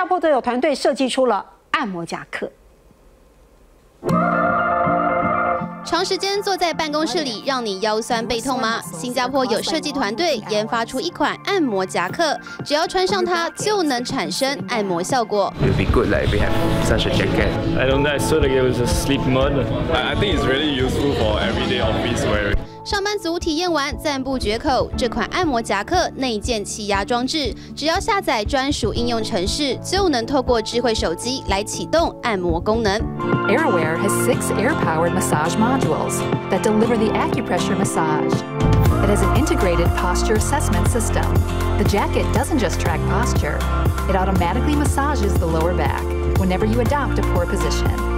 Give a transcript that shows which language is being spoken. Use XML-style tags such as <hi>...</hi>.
<zh>而外套现在不只是外套了，美国加州新创公司设计出的是自动烘干外套，里面那件两个烘干键按一下，2分钟把衣服给烘干。新加坡则有团队设计出了按摩夹克。长时间坐在办公室里，让你腰酸背痛吗？新加坡有设计团队研发出一款按摩夹克，只要穿上它就能产生按摩效果。</zh> <en>It'd be good like we have such a jacket. I don't know. I sort of get with a sleep mod. I think it's really useful for everyday office wearing.</en> <zh>上班族体验完赞不绝口，这款按摩夹克内建气压装置，只要下载专属应用程式，就能透过智慧手机来启动按摩功能。</zh> <en>AirAware has 6 air-powered massage modules that deliver the acupressure massage. It has an integrated posture assessment system. The jacket doesn't just track posture; it automatically massages the lower back whenever you adopt a poor position.</en>